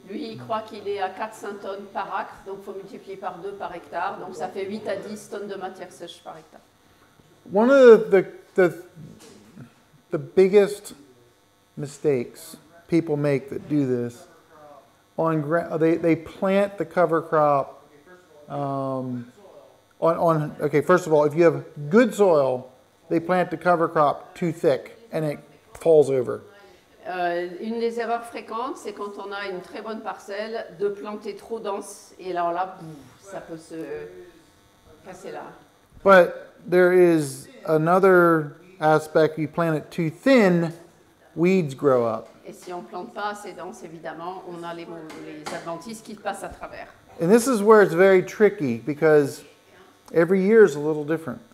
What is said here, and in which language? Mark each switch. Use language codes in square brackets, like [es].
[fr] Lui, il croit qu'il est à 4-5 tonnes par acre, donc faut multiplier par 2 par hectare, donc ça fait 8 à 10 tonnes de matière sèche par hectare. [en] One of the biggest mistakes people make that do this on they plant the cover crop. First of all, if you have good soil, they plant the cover crop too thick and it falls over. [fr] Une des erreurs fréquentes, c'est quand on a une très bonne parcelle, de planter trop dense et là, ça peut se casser là. [en] But there is another aspect, you plant it too thin, weeds grow up. [fr] Et si on plante pas assez dense, évidemment, on a les adventices qui passent à travers. [en] And this is where it's very tricky because every year is a little different.